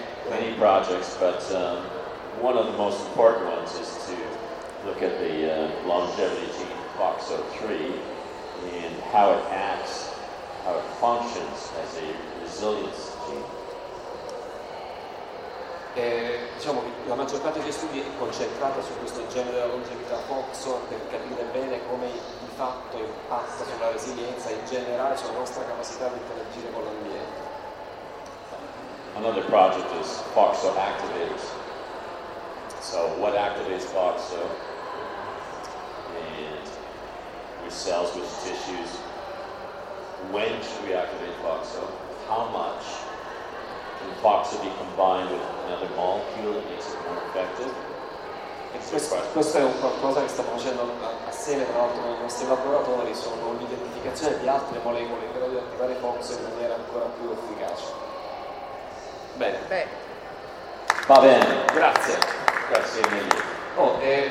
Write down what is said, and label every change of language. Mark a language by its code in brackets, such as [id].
[en] Many projects, but one of the most important ones is to look at the longevity gene FOXO3 and how it acts, how it functions as a resilience gene. [it] Diciamo che la maggior parte degli studi è concentrata su questo gene della longevità FOXO per capire bene come di fatto impatta sulla resilienza in generale, sulla nostra capacità di interagire con l'ambiente. [en] Another project is FOXO activators. So what activates FOXO? And which cells, which tissues? When should we activate FOXO? How much? Can FOXO be combined with another molecule that makes it more effective? [it] Questo è un qualcosa che stiamo facendo assieme, tra l'altro, nei nostri laboratori, sono l'identificazione di altre molecole in grado di attivare FOXO in maniera ancora più efficace. Va bene, grazie Emilio.